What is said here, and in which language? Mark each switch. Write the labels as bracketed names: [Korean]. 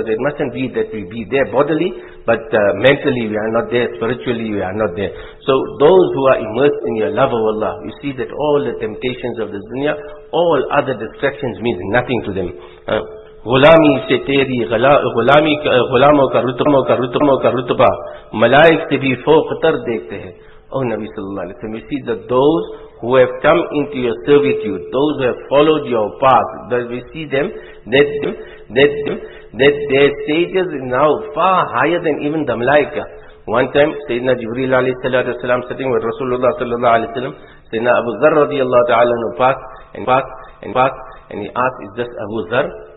[English] It mustn't be that we be there bodily, but mentally we are not there, spiritually we are not there. So those who are immersed in your love of Allah, you see that all the temptations of the dunya, all other distractions means nothing to them. [Urdu] غلامی سے تیری غلامی غلاموں کا رتبہ ملائک سے بھی فوق تر دیکھتے ہیں. او نبی صلی اللہ علیہ وسلم, [English] we see that those who have come into your servitude, those who have followed your path, that we see them, that their status is now far higher than even the ملائکہ. One time, Sayyidina Jibreel alayhi salatu wasalam sitting with Rasulullah sallallahu alayhi wasalam, Sayyidina Abu Dharr radiallahu ta'ala passed, and he asked, is this Abu Dharr?